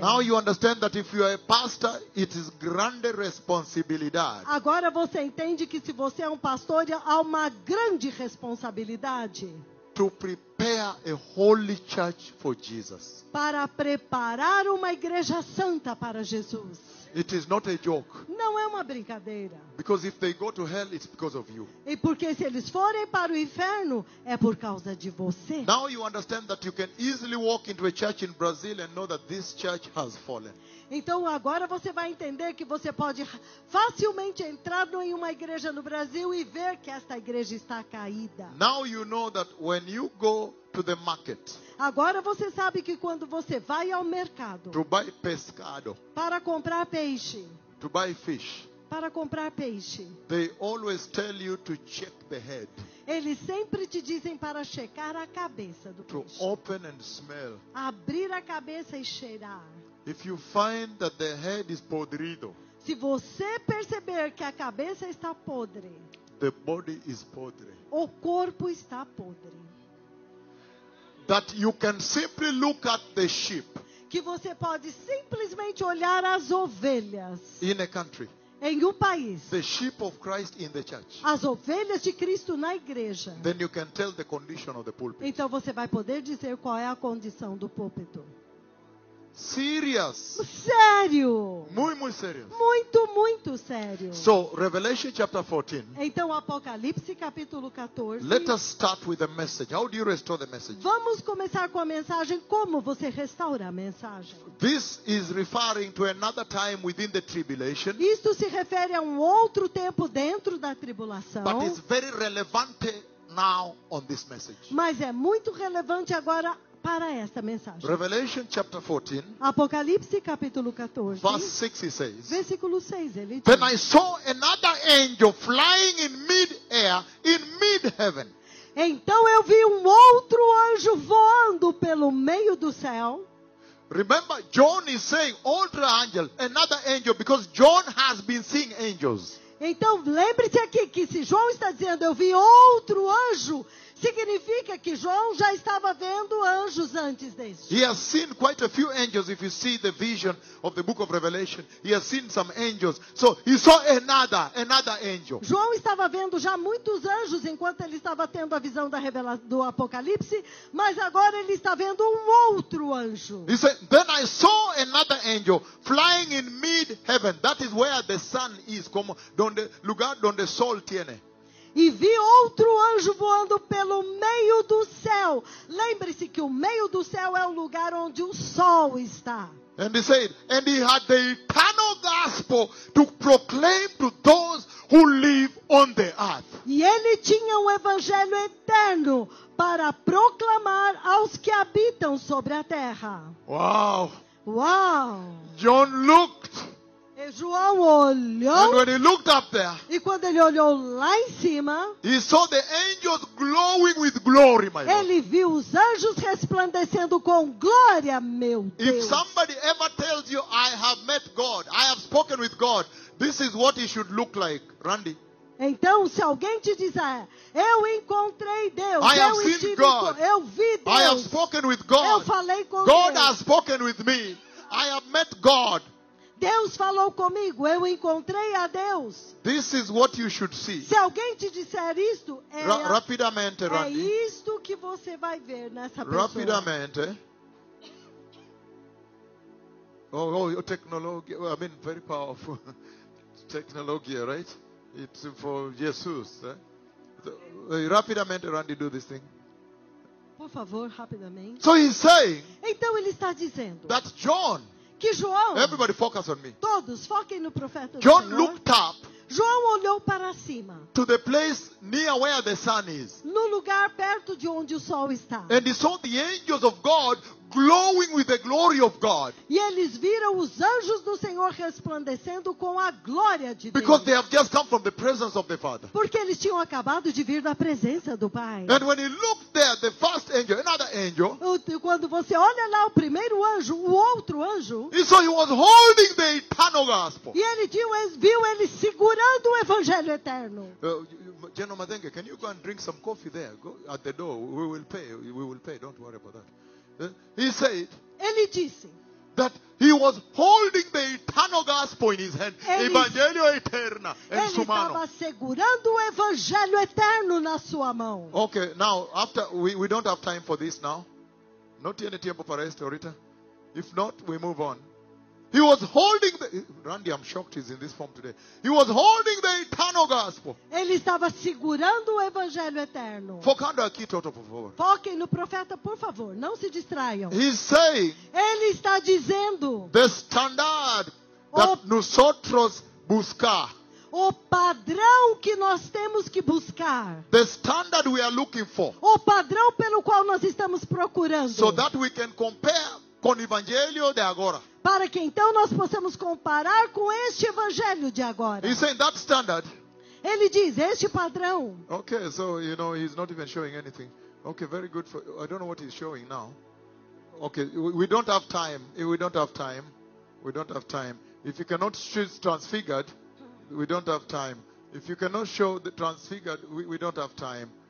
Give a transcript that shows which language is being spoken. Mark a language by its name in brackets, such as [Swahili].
[English] Now you understand that if you are a pastor, it is [Portuguese] grande responsabilidade. Agora você entende que se você é um pastor, há uma grande responsabilidade. [English] To prepare a holy church for Jesus. [Portuguese] Para preparar uma igreja santa para Jesus. [English] It is not a joke. [Portuguese] Não é uma brincadeira. [English] Because if they go to hell, it's because of you. [Portuguese] E porque se eles forem para o inferno, é por causa de você. [English] Now you understand that you can easily walk into a church in Brazil and know that this church has fallen. [Portuguese] Então agora você vai entender que você pode facilmente entrar em uma igreja no Brasil e ver que esta igreja está caída. [English] Now you know that when you go to the market. [Portuguese] Agora você sabe que quando você vai ao mercado. [English] To buy pescado. [Portuguese] Para comprar peixe. [English] To buy fish. [Portuguese] Para comprar peixe. [English] They always tell you to check the head. [Portuguese] Eles sempre te dizem para checar a cabeça do [English] to [Portuguese] peixe. [English] To open and smell. [Portuguese] Abrir a cabeça e cheirar. [English] If you find that the head is podrido. [Portuguese] Se você perceber que a cabeça está podre. [English] The body is podre. [Portuguese] O corpo está podre. [English] That you can simply look at the sheep. [Portuguese] Que você pode simplesmente olhar as ovelhas. [English] In a country. [Portuguese] Em país. [English] The sheep of Christ in the church. [Portuguese] As ovelhas de Cristo na igreja. [English] Then you can tell the condition of the pulpit. [Portuguese] Então você vai poder dizer qual é a condição do púlpito. [English] Serious. [Portuguese] Sério. Muito, muito sério. Muito, muito sério. [English] So, Revelation chapter 14. [Portuguese] Então, Apocalipse capítulo 14. [English] Let us start with the message. How do you restore the message? [Portuguese] Vamos começar com a mensagem. Como você restaura a mensagem? [English] This is referring to another time within the tribulation. [Portuguese] Isto se refere a outro tempo dentro da tribulação. [English] But it's very relevant now on this message. [Portuguese] Mas é muito relevante agora. Para esta mensagem. [English] Revelation chapter 14. [Portuguese] Apocalipse capítulo 14. [English] Verse 6 he says. [Portuguese] Versículo 6 ele diz. [English] Then I saw another angel flying in midair, in mid heaven. [Portuguese] Então eu vi outro anjo voando pelo meio do céu. [English] Remember, John is saying older angel, another angel, because John has been seeing angels. [Portuguese] Então lembre-se aqui que se João está dizendo eu vi outro anjo. Significa que João já estava vendo anjos antes disso. [English] He has seen quite a few angels. If you see the vision of the book of Revelation, he has seen some angels. So he saw another angel. [Portuguese] João estava vendo já muitos anjos enquanto ele estava tendo a visão da revelação do Apocalipse, mas agora ele está vendo outro anjo. [English] He said, "Then I saw another angel flying in mid heaven. That is where the sun is, [Spanish] como donde lugar donde sol tiene." [Portuguese] E vi outro anjo voando pelo meio do céu. Lembre-se que o meio do céu é o lugar onde o sol está. [English] And he said, and he had the eternal gospel to proclaim to those who live on the earth. [Portuguese] E ele tinha um evangelho eterno para proclamar aos que habitam sobre a terra. [English] Wow. [Portuguese] Wow. [English] John looked. [Portuguese] E João olhou, [English] and when he looked up there, [Portuguese] e quando ele olhou lá em cima, [English] he saw the angels glowing with glory, my Lord. [Portuguese] Ele viu os anjos resplandecendo com glória, meu Deus. [English] If somebody ever tells you, I have met God, I have spoken with God, this is what it should look like, Randy. [Portuguese] Então, se alguém te disser, eu encontrei Deus, [English] I have seen God. [Portuguese] Eu vi Deus, [English] I have spoken with God, [Portuguese] eu falei com [English] God [Portuguese] Deus. [English] Has spoken with me, I have met God. [Portuguese] Deus falou comigo, eu encontrei a Deus. [English] This is what you should see. [Portuguese] Se alguém te disser isto, rapidamente, é isto que você vai ver nessa pessoa. Rapidamente. [English] Oh, your technology, I mean, very powerful technology, right? It's for Jesus. Eh? Rapidamente, Randy, do this thing. [Portuguese] Por favor, rapidamente. [English] So he's saying. [Portuguese] Então ele está dizendo. [English] That John. [Portuguese] Que João. [English] Everybody focus on me. [Portuguese] Todos foquem no profeta. [English] John [Portuguese] do Senhor, [English] looked up. [Portuguese] João olhou para cima. [English] To the place near where the sun is. [Portuguese] No lugar perto de onde o sol está. [English] And he saw the angels of God glowing with the glory of God. [Portuguese] E eles viram os anjos do Senhor resplandecendo com a glória de Deus. [English] Because they have just come from the presence of the Father. [Portuguese] Porque eles tinham acabado de vir da presença do Pai. [English] And when he looked there, the first angel, another angel. [Portuguese] Quando você olha lá o primeiro anjo, o outro anjo. [English] He saw he was holding the eternal gospel. [Portuguese] E ele viu ele segurando o evangelho eterno. [English] General Madenge, can you go and drink some coffee there? Go at the door. We will pay. We will pay. Don't worry about that. He said, [Portuguese] ele disse, [English] that he was holding the eternal gospel in his hand, [Portuguese] Evangelho eterno, ele estava segurando o evangelho eterno na sua mão. [English] Okay, now after we don't have time for this now. Not any [Spanish] tempo para esto ahorita. [English] If not, we move on. He was holding the Randy, I'm shocked he's in this form today. He was holding the eternal gospel. [Portuguese] Ele estava segurando o evangelho eterno. Focando aqui, Toto, por favor. Foquem no profeta, por favor. Não se distraiam. [English] He's saying, [Portuguese] ele está dizendo, [English] the standard that [Spanish] nosotros buscar. [Portuguese] O padrão que nós temos que buscar. [English] The standard we are looking for. [Portuguese] O padrão pelo qual nós estamos procurando. [English] So that we can compare [Portuguese] com o evangelho de agora. Para que então nós possamos comparar com este evangelho de agora. [English] He's saying that standard. [Portuguese] Ele diz este padrão. [English] Okay, so you know he's not even showing anything. Okay, very good for I don't know what he's showing now. Okay, we don't have time. We don't have time. We don't have time. If you cannot show transfigured, we don't have time. If you cannot show the transfigured, we don't have time.